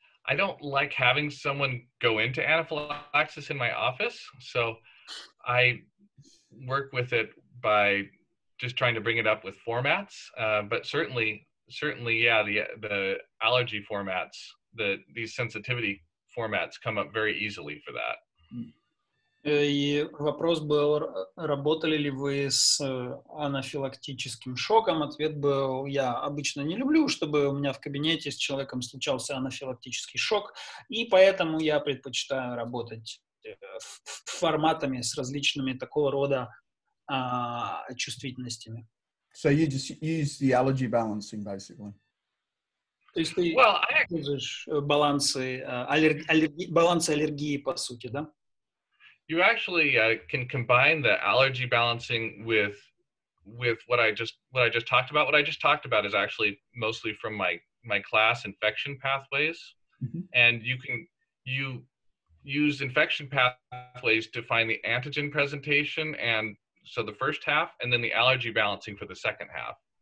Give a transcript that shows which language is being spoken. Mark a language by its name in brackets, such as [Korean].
[English] I don't like having someone go into anaphylaxis in my office, so I work with it by just trying to bring it up with formats, but certainly, yeah, the allergy formats, these sensitivity formats come up very easily for that. [Russian] И вопрос был, работали ли вы с анафилактическим шоком? Ответ был, я обычно не люблю, чтобы у меня в кабинете с человеком случался анафилактический шок, и поэтому я предпочитаю работать форматами с различными такого рода чувствительностями. [English] So you just use the allergy balancing, basically. [Russian] То есть ты используешь балансы, балансы аллергии, по сути, да? [English] You actually can combine the allergy balancing with what I just talked about is actually mostly from my class infection pathways. Mm-hmm. And you use infection pathways to find the antigen presentation and so the first half and then the allergy balancing for the second half.